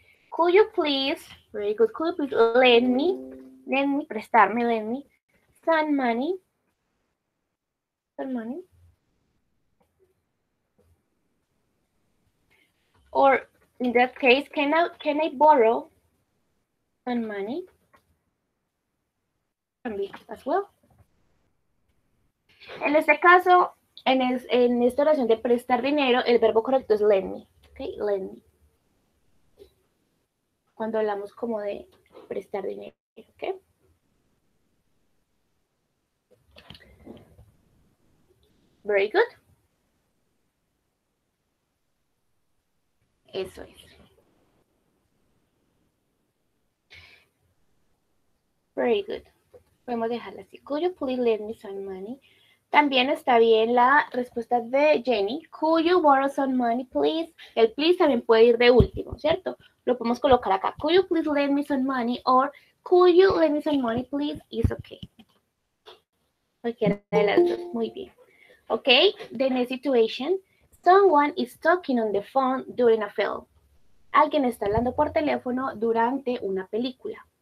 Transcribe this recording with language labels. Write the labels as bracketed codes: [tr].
[en] Could you please, very good, could you please lend me, prestarme, lend me, some money, or in that case, can I borrow some money, can be as well. [es] En este caso, en esta oración de prestar dinero, el verbo correcto es lend me, okay, lend me. Cuando hablamos como de prestar dinero, ¿ok? [en] Very good. [es] Eso es. [en] Very good. [es] Podemos dejarla así. [en] Could you please lend me some money? [es] También está bien la respuesta de Jenny. [en] Could you borrow some money, please? [es] El please también puede ir de último, ¿cierto? Lo podemos colocar acá. [en] Could you please lend me some money? Or could you lend me some money, please? It's okay. [es] Cualquiera de las dos. Muy bien. [en] Okay, the next situation. Someone is talking on the phone during a film. [es] Alguien está hablando por teléfono durante una película.